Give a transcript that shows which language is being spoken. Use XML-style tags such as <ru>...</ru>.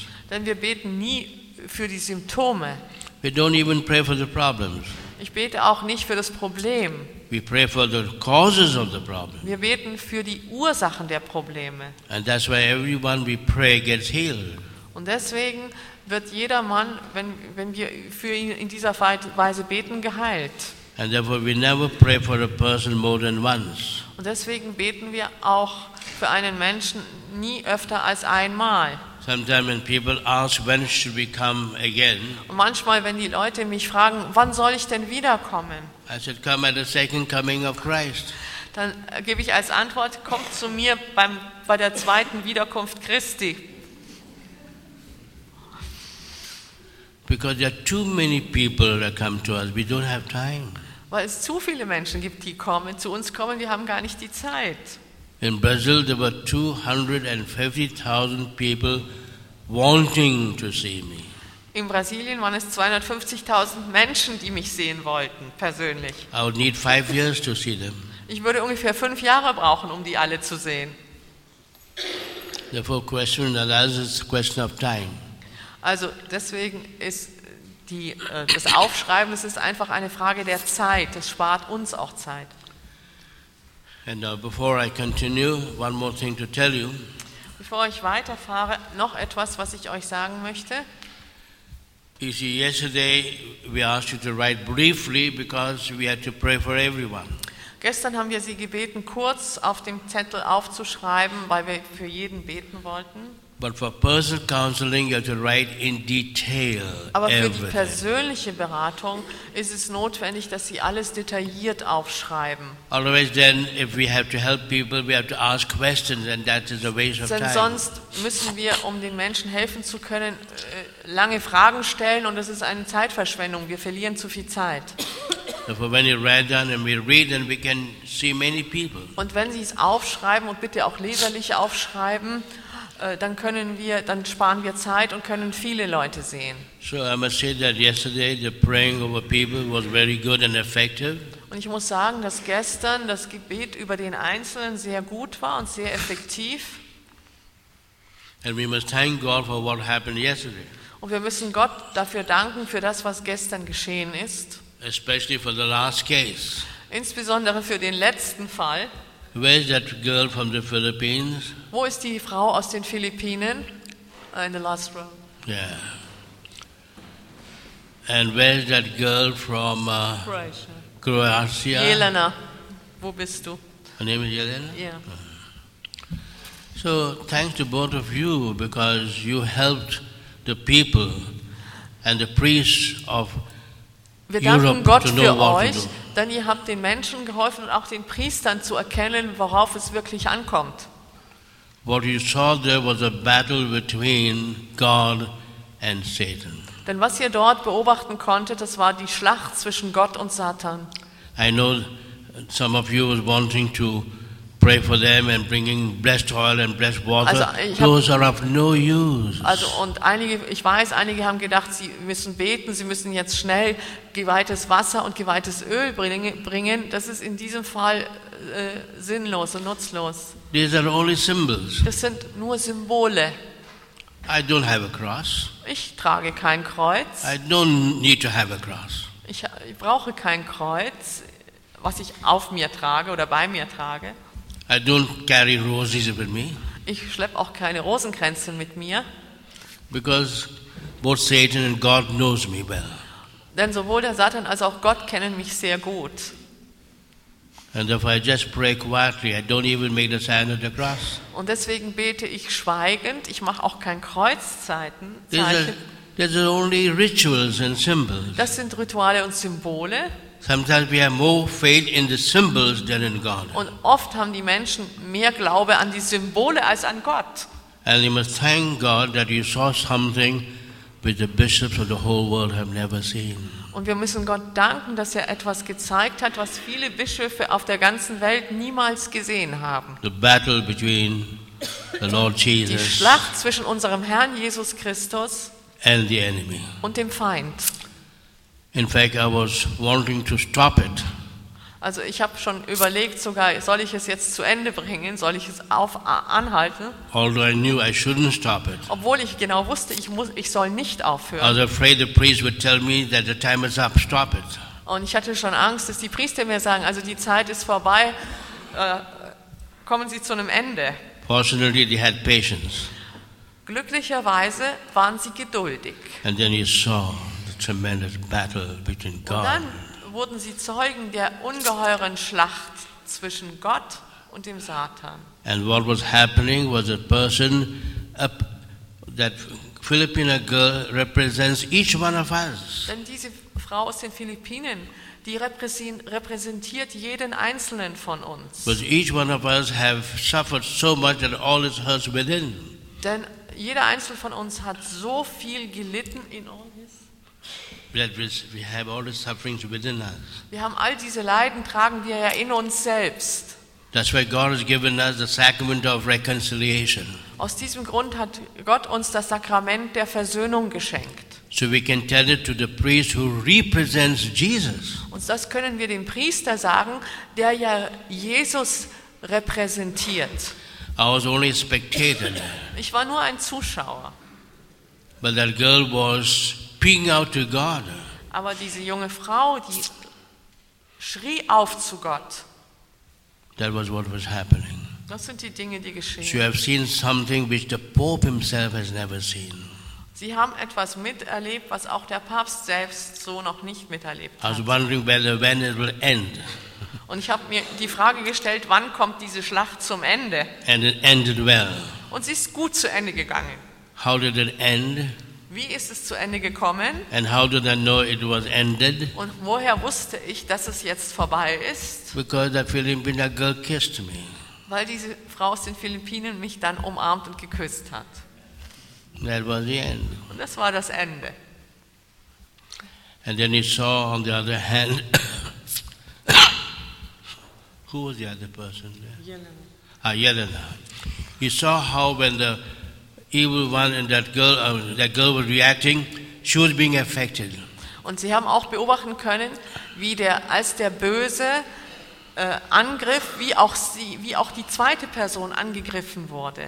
<de>Denn wir beten nie für die Symptome.</de> <en>We don't even pray for the problems.</en> <de>Ich bete auch nicht für das Problem.</de> <en>We pray for the causes of the problem.</en> <de>Wir beten für die Ursachen der Probleme.</de> <en>And that's why everyone we pray gets healed.</en> <de>Und deswegen wird jeder Mann, wenn wir für ihn in dieser Weise beten, geheilt.</de> <en>And therefore we never pray for a person more than once.</en> <de>Und deswegen beten wir auch für einen Menschen nie öfter als einmal.</de> <en>Sometimes when people ask, when should we come again?</en> <de>Und manchmal, wenn die Leute mich fragen, wann soll ich denn wiederkommen?</de> <en>I said, come at the second coming of Christ.</en> <de>Dann gebe ich als Antwort, kommt zu mir bei der zweiten Wiederkunft Christi.</de> <en>Because there are too many people that come to us, we don't have time.</en> <de>Weil es zu viele Menschen gibt, die kommen, zu uns kommen, wir haben gar nicht die Zeit.</de> <en>In Brazil there were 250,000 people wanting to see me.</en> <de>In Brasilien waren es 250,000 Menschen, die mich sehen wollten, persönlich.</de> <en>I would need 5 years to see them.</en> <de>Ich würde ungefähr 5 Jahre brauchen, um die alle zu sehen.</de> <en>Therefore, question that is a question of time.</en> <de>Also deswegen ist das Aufschreiben, es ist einfach eine Frage der Zeit. Das spart uns auch Zeit.</de> <en>And before I continue, one more thing to tell you.</en> <de>Bevor ich weiterfahre, noch etwas, was ich euch sagen möchte.</de> <en>You see, yesterday we asked you to write briefly because we had to pray for everyone.</en> <de>Gestern haben wir Sie gebeten, kurz auf dem Zettel aufzuschreiben, weil wir für jeden beten wollten.</de> <en>But for personal counseling, you have to write in detail.</en> <de>Aber für die persönliche Beratung ist es notwendig, dass Sie alles detailliert aufschreiben.</de> <en>Otherwise, then, if we have to help people, we have to ask questions, and that is a waste of time.</en> <de>Denn sonst müssen wir, um den Menschen helfen zu können, lange Fragen stellen, und das ist eine Zeitverschwendung. Wir verlieren zu viel Zeit.</de> <en>Therefore, when you write down and we read, then we can see many people.</en> <de>Und wenn Sie es aufschreiben und bitte auch leserlich aufschreiben. Dann sparen wir Zeit und können viele Leute sehen.</de> <en>So I must say that yesterday the praying over people was very good and effective.</en> <de>Und ich muss sagen, dass gestern das Gebet über den Einzelnen sehr gut war und sehr effektiv.</de> <en>And we must thank God for what happened yesterday.</en> <de>Und wir müssen Gott dafür danken für das, was gestern geschehen ist.</de> <en>Especially for the last case.</en> <de>Insbesondere für den letzten Fall.</de> <en>Where is that girl from the Philippines?</en> <de>Wo ist die Frau aus den Philippinen?</de> <en>In the last row. Yeah. And where is that girl from Croatia?</en> <de>Jelena. Wo bist du?</de> <en>Her name is Jelena? Yeah. So, thanks to both of you, because you helped the people and the priests of Europe to know what to do.</en> <de>Wir danken Gott für euch. Denn ihr habt den Menschen geholfen und auch den Priestern zu erkennen, worauf es wirklich ankommt.</de> <en>What you saw there was a battle between God and Satan.</en> <de>Denn was ihr dort beobachten konntet, das war die Schlacht zwischen Gott und Satan.</de> <en>I know some of you were wanting to pray for them and bringing blessed oil and blessed water. Those are of no use.</en> <de>Also und einige, ich weiß, einige haben gedacht, sie müssen beten, sie müssen jetzt schnell geweihtes Wasser und geweihtes Öl bringen. Das ist in diesem Fall sinnlos und nutzlos.</de> <en>These are only symbols.</en> <de>Das sind nur Symbole.</de> <en>I don't have a cross.</en> <de>Ich trage kein Kreuz.</de> <en>I don't need to have a cross.</en> <de>Ich brauche kein Kreuz, was ich auf mir trage oder bei mir trage.</de> <en>I don't carry roses with me.</en> <de>Ich schleppe auch keine Rosenkränze mit mir.</de> <en>Because both Satan and God knows me well.</en> <de>Denn sowohl der Satan als auch Gott kennen mich sehr gut.</de> <en>And therefore I just pray quietly. I don't even make the sign of the cross.</en> <de>Und deswegen bete ich schweigend. Ich mache auch kein Kreuzzeichen.</de> <en>There's only rituals and symbols.</en> <de>Das sind Rituale und Symbole.</de> <en>Sometimes we have more faith in the symbols than in God.</en> <de>Und oft haben die Menschen mehr Glaube an die Symbole als an Gott.</de> <en>And you must thank God that you saw something which the bishops of the whole world have never seen.</en> <de>Und wir müssen Gott danken, dass er etwas gezeigt hat, was viele Bischöfe auf der ganzen Welt niemals gesehen haben.</de> <en>The battle between the Lord Jesus.</en> <de>Die Schlacht zwischen unserem Herrn Jesus Christus</de> <en>and the enemy.</en> <de>Und dem Feind.</de> <en>In fact, I was wanting to stop it.</en> <de>Also ich habe schon überlegt sogar, soll ich es jetzt zu Ende bringen, soll ich es anhalten?</de> <en>Although I knew I shouldn't stop it.</en> <de>Obwohl ich genau wusste, ich soll nicht aufhören.</de> <en>I was afraid the priest would tell me that the time is up, stop it.</en> <de>Und ich hatte schon Angst, dass die Priester mir sagen, also die Zeit ist vorbei, kommen Sie zu einem Ende.</de> <en>Fortunately, they had patience.</en> <de>Glücklicherweise waren sie geduldig.</de> <en>And then he saw the tremendous battle between God.</en> <de>Und dann wurden sie Zeugen der ungeheuren Schlacht zwischen Gott und dem Satan.</de> <en>And what was happening was a person, that Filipina girl represents each one of us.</en> <de>Denn diese Frau aus den Philippinen, die repräsentiert jeden einzelnen von uns.</de> <en>But each one of us have suffered so much that all is hurt within.</en> <de>Denn jeder Einzelne von uns hat so viel gelitten in uns.</de> <en>We have all the sufferings within us.</en> <de>Wir haben all diese Leiden, tragen wir ja in uns selbst.</de> <en>That's why God has given us the sacrament of reconciliation.</en> <de>Aus diesem Grund hat Gott uns das Sakrament der Versöhnung geschenkt.</de> <en>So we can tell it to the priest who represents Jesus.</en> <de>Und das können wir dem Priester sagen, der ja Jesus repräsentiert.</de> <en>I was only a spectator.</en> <de>Ich war nur ein Zuschauer.</de> <en>But that girl was peeing out to God.</en> <de>Aber diese junge Frau, die schrie auf zu Gott.</de> <en>That was what was happening.</en> <de>Das sind die Dinge, die geschehen.</de> <en>She have seen something which the Pope himself has never seen.</en> <de>Sie haben etwas miterlebt, was auch der Papst selbst so noch nicht miterlebt hat.</de> <en>I was wondering whether when it will end.</en> <de>Und ich habe mir die Frage gestellt, wann kommt diese Schlacht zum Ende?</de> <en>And it ended well.</en> <de>Und sie ist gut zu Ende gegangen.</de> <en>How did it end?</en> <de>Wie ist es zu Ende gekommen?</de> <en>And how did I know it was ended?</en> <de>Und woher wusste ich, dass es jetzt vorbei ist?</de> <en>Because that Filipina girl kissed me.</en> <de>Weil diese Frau aus den Philippinen mich dann umarmt und geküsst hat.</de> <en>That was the end.</en> <de>Und das war das Ende.</de> <en>And then he saw on the other hand. Who was the other person there? Yelena. He saw how when the evil one and that girl was reacting, she was being affected.</en> <de>Und sie haben auch beobachten können, wie der als der Böse angriff, wie auch die zweite Person angegriffen wurde.</de>